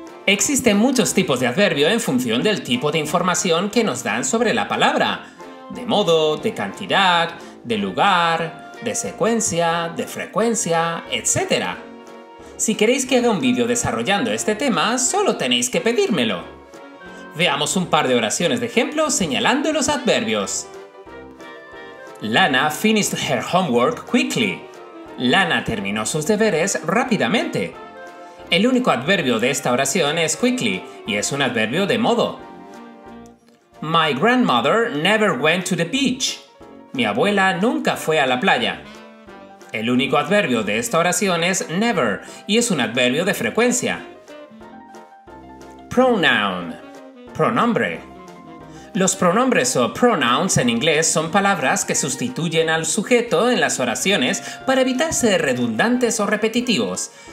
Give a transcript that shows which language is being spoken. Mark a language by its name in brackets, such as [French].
[Spanish] Existen muchos tipos de adverbio en función del tipo de información que nos dan sobre la palabra: de modo, de cantidad, de lugar, de secuencia, de frecuencia, etc. Si queréis que haga un vídeo desarrollando este tema, solo tenéis que pedírmelo. Veamos un par de oraciones de ejemplo señalando los adverbios. [English] Lana finished her homework quickly. [Spanish] Lana terminó sus deberes rápidamente. El único adverbio de esta oración es quickly, y es un adverbio de modo. [English] My grandmother never went to the beach. [Spanish] Mi abuela nunca fue a la playa. El único adverbio de esta oración es never, y es un adverbio de frecuencia. Pronoun. Pronombre. Los pronombres o pronouns en inglés son palabras que sustituyen al sujeto en las oraciones para evitar ser redundantes o repetitivos.